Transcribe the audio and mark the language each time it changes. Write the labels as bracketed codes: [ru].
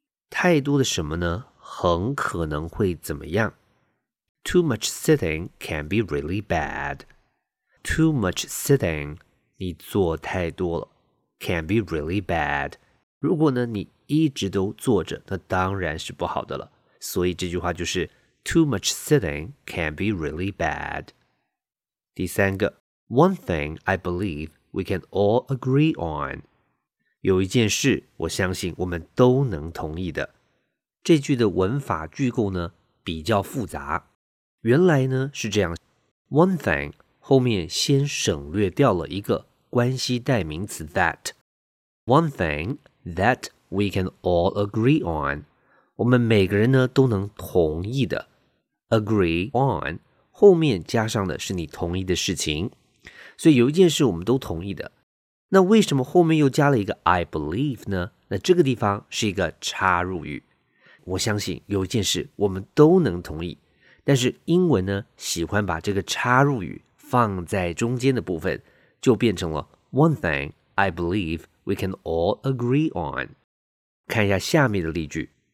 [zh] 太多的什么呢很可能会怎么样。 [en] Too much sitting can be really bad. Too much sitting, [zh] 你坐太多了 [en] can be really bad. [zh] 如果呢你一直都坐着那当然是不好的了。所以这句话就是 Too much sitting can be really bad. 第三个 [en] One thing I believe we can all agree on. [zh] 有一件事我相信我们都能同意的。这句的文法句构呢比较复杂。原来呢是这样 [en] One thing [zh] 后面先省略掉了一个关系代名词 that [en] One thing that we can all agree on [zh] 我们每个人呢都能同意的 [en] Agree on [zh] 后面加上的是你同意的事情所以有一件事我们都同意的那为什么后面又加了一个 I believe 呢那这个地方是一个插入语我相信有一件事我们都能同意但是英文呢喜欢把这个插入语放在中间的部分就变成了 One thing I believe we can all agree on 看一下下面的例句